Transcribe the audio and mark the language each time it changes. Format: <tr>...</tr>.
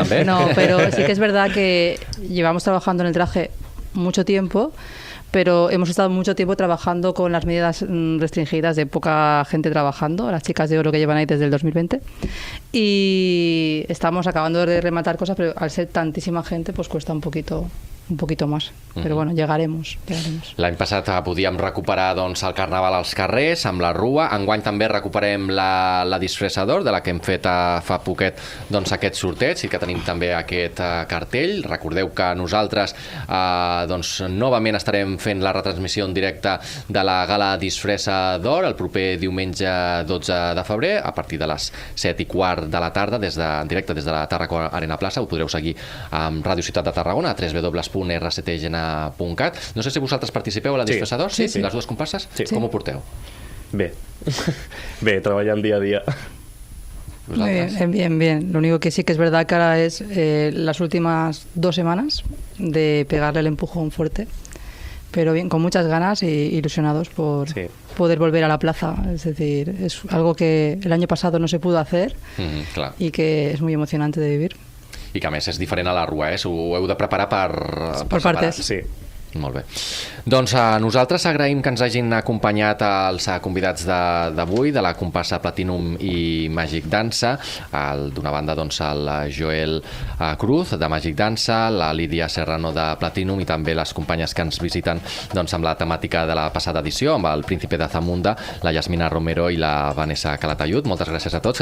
<es>No, pero sí que es verdad que llevamos trabajando en el traje mucho tiempo, pero hemos estado mucho tiempo trabajando con las medidas restringidas de poca gente trabajando, las chicas de oro que llevan ahí desde el 2020, y estamos acabando de rematar cosas, pero al ser tantísima gente pues cuesta un poquito más, mm-hmm. Pero bueno, llegaremos.</es> <ca>L'any passat podíem recuperar doncs el carnaval als carrers amb la rua. Enguany també recuperem la disfressa d'or, de la que hem fet fa poquet doncs aquest sorteig, i que tenim també aquest cartell. Recordeu que nosaltres doncs novament estarem fent la retransmissió en directe de la gala disfressa d'or el proper diumenge 12 de febrer a partir de les 7:15 de la tarda, en directe des de la Tarraco Arena Plaça. Ho podreu seguir amb Ràdio Ciutat de Tarragona a www.rctgna.cat. No sé si vosaltres participeu a la disfressa d'or, sí, les dues comparses. Sí. Com ho porteu? Bé. Bé, treballant dia a dia.</ca> <es>Bien, bien, bien. Lo único que sí que es verdad que ahora es las últimas dos semanas de pegarle el empujón fuerte, pero bien, con muchas ganas e ilusionados por poder volver a la plaza. Es decir, es algo que el año pasado no se pudo hacer, claro. Y que es muy emocionante de vivir.</es> <ca>I que a més és diferent a la rua, eh? Ho heu de preparar per</ca> <es>partes.</es> <ca>Sí. Molt bé. Doncs nosaltres agraïm que ens hagin acompanyat els convidats d'avui, de la comparsa Platinum i Magic Dansa. D'una banda, doncs, el Joel Cruz, de Magic Dansa, la Lídia Serrano, de Platinum, i també les companyes que ens visiten doncs amb la temàtica de la passada edició, amb el Príncipe de Zamunda, la Yasmina Romero i la Vanessa Calatayud. Moltes gràcies a tots.</ca>